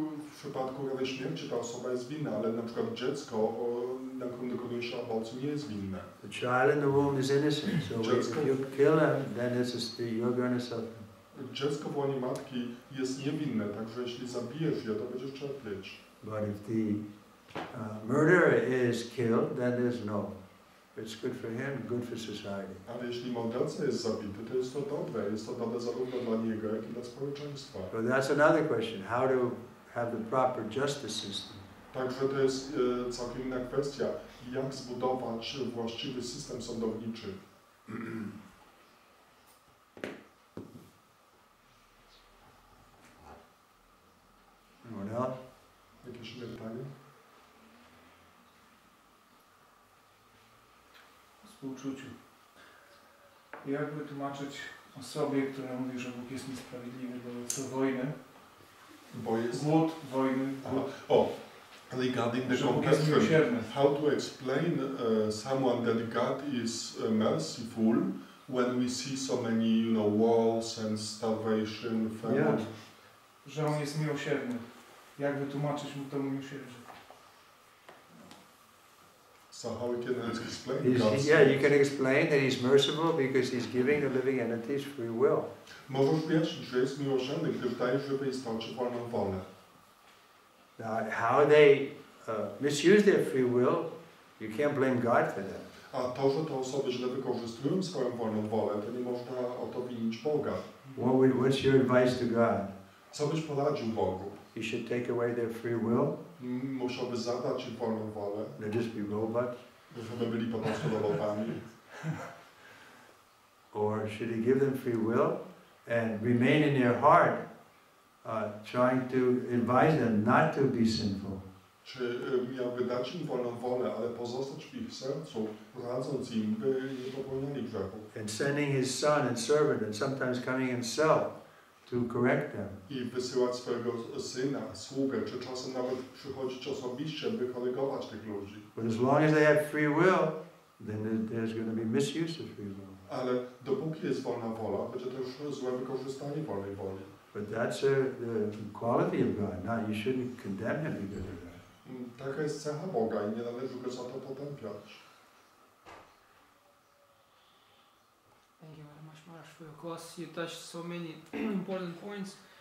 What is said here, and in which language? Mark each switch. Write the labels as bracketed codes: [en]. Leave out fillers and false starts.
[pl] W przypadku rady śmierci ta osoba jest winna, ale na przykład dziecko, na którym dokonuje się aborcji, nie jest winne. [en] The child in the womb is innocent, so dziecko, if you kill him, then you're going to suffer. [pl] Dziecko w łonie matki jest niewinne, także jeśli zabijesz je, to będziesz cierpieć. [en] But if the murderer is killed, then there's no. It's good for him, good for society. [pl] Ale jeśli morderca jest zabity, to jest to dobre. Jest to dobre zarówno dla niego, jak i dla społeczeństwa. [en] But that's another question. How to have the proper justice system? [pl] Także to jest całkiem inna kwestia. Jak zbudować właściwy system sądowniczy? Jakieś inne pytanie? Współczuciu. Jak wytłumaczyć osobie, która mówi, że Bóg jest niesprawiedliwy wobec wojny? Głód, wojny, głód. [en] Regarding the compassion, how to explain someone that God is merciful when we see so many, you know, wars and starvation, famine? [pl] Głód, że On jest miłosierny. Jak wytłumaczyć mu to miłosierdzie? [en] So how we can explain God's... Yeah, you can explain that He's merciful because He's giving the living entities free will. [pl] Możesz wyjaśnić, że jest miłosierny, gdyż daje żywe istoty wolną wolę. [en] Now, how they misuse their free will, you can't blame God for that. [pl] A to, że te osoby źle wykorzystują swoją wolną wolę, to nie można o to winić Boga. [en] What's your advice to God? [pl] Co byś poradził Bogu? [en] He should take away their free will. [pl] Musiałby zabrać im wolną wolę. [en] They just be robots. [pl] Żeby byli po prostu robotami. [en] Or should he give them free will and remain in their heart, trying to advise them not to be sinful? [pl] Czy miałby dać im wolną wolę, ale pozostać w ich sercu, radząc im, by nie popełniali grzechu? [en] And sending his son and servant, and sometimes coming himself, to correct them. [pl] I wysyłać swojego syna, sługę, czy czasem nawet przychodzić osobiście, by korygować tych ludzi. [en] But as long as they have free will, then there's going to be misuse of free will. [pl] Ale dopóki jest wolna wola, będzie to już złe wykorzystanie wolnej woli. [en] But that's the quality of God. Now you shouldn't condemn him because of that. [pl] Taka jest cecha Boga i nie należy go za to potępiać. [en] Thank you very much, Maharaj, for your class. You touched so many important points.